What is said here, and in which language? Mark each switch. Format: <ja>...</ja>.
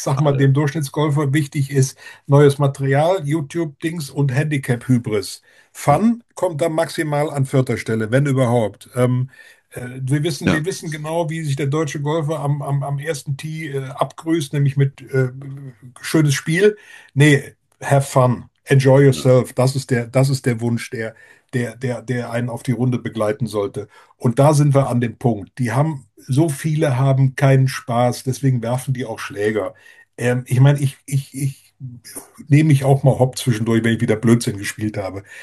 <de>Ich sage mal, dem Durchschnittsgolfer wichtig ist neues Material, YouTube-Dings und Handicap-Hybris. Fun kommt dann maximal an vierter Stelle, wenn überhaupt. Wir wissen genau, wie sich der deutsche Golfer am ersten Tee abgrüßt, nämlich mit schönes Spiel.</de> <en>Nee, have fun, enjoy yourself.</en> <de>Das ist der Wunsch, der einen auf die Runde begleiten sollte. Und da sind wir an dem Punkt. So viele haben keinen Spaß, deswegen werfen die auch Schläger. Ich meine, ich nehme mich auch mal hopp zwischendurch, wenn ich wieder Blödsinn gespielt habe.</de>